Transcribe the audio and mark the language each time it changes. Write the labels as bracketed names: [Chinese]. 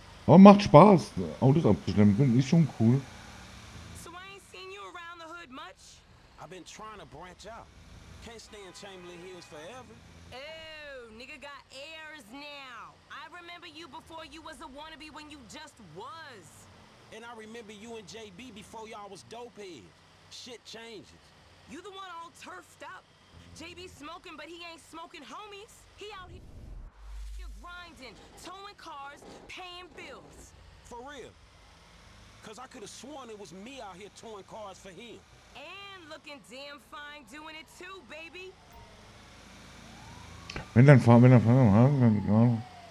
[German] Aber macht Spaß, Autos abzuschleppen, ist schon cool. [English] So I ain't seen you around the hood much. I've been trying to branch out. Can't stay in Chamberlain Hills forever. Oh, nigga got airs now. I remember you before you was a wannabe when you just was. And I remember you and JB before y'all was dope heads. Shit changes. You the one all turfed up. JB smoking, but he ain't smoking homies. He out here grinding, towing cars, paying bills. For real? Cause I could have sworn it was me out here towing cars for him. And looking damn fine doing it too, baby. [German] Wenn dann fahren, wenn dann fahren, dann haben wir die Ahnung.